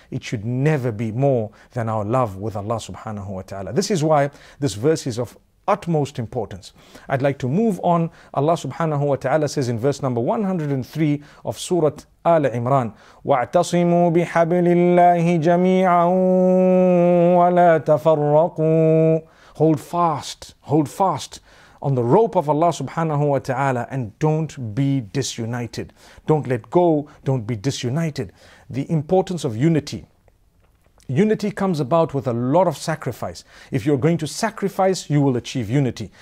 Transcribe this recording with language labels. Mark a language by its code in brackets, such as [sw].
[en] It should never be more than our love with Allah subhanahu wa ta'ala. This is why this verse is of utmost importance. I'd like to move on. Allah subhanahu wa ta'ala says in verse number 103 of Surah آل عمران [ar] واعتصموا بحبل الله جميعا ولا تفرقوا. [en] Hold fast on the rope of Allah subhanahu wa ta'ala and don't be disunited. Don't let go, don't be disunited. The importance of unity. Unity comes about with a lot of sacrifice. If you're going to sacrifice, you will achieve unity.